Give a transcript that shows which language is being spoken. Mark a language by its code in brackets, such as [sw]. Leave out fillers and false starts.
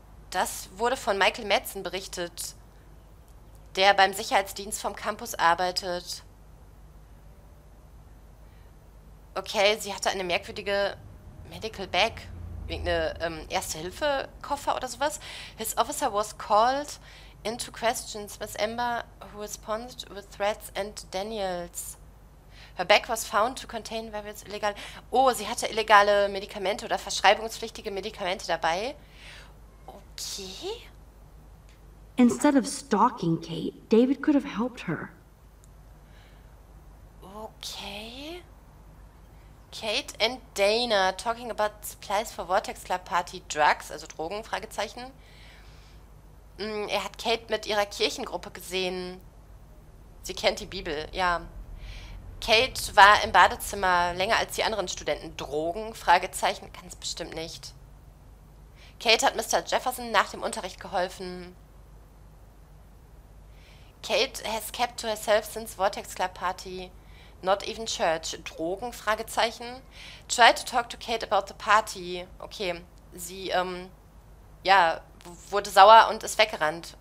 [de] Das wurde von Michael Madsen berichtet, der beim Sicherheitsdienst vom Campus arbeitet. Okay, sie hatte eine merkwürdige Medical Bag, irgendeine Erste-Hilfe-Koffer oder sowas. [en] His officer was called into questions with Amber, who responded with threats and Daniels. Her bag was found to contain various illegal... [de] Oh, sie hatte illegale Medikamente oder verschreibungspflichtige Medikamente dabei. Oh [en] Okay. Instead of stalking Kate, David could have helped her. Okay. Kate and Dana talking about supplies for Vortex Club Party Drugs, [de] also Drogen, Fragezeichen. Er hat Kate mit ihrer Kirchengruppe gesehen. Sie kennt die Bibel, ja. Kate war im Badezimmer länger als die anderen Studenten. Drogen, Fragezeichen, ganz bestimmt nicht. Kate hat Mr. Jefferson nach dem Unterricht geholfen. [en] Kate has kept to herself since Vortex Club Party. Not even church. [de] Drogen, Fragezeichen. [en] Try to talk to Kate about the party. [de] Okay, sie, ja, wurde sauer und ist weggerannt.